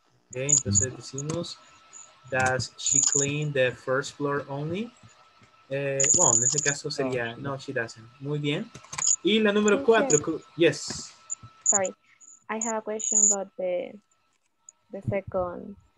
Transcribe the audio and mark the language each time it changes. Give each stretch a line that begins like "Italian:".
Spanish: Okay, entonces decimos,
English: does she clean the first floor only?
Spanish: Bueno, en ese caso sería,
English: no, she doesn't.
Spanish: Muy bien. Y la número cuatro, yes.
English: Sorry, I have a question about the second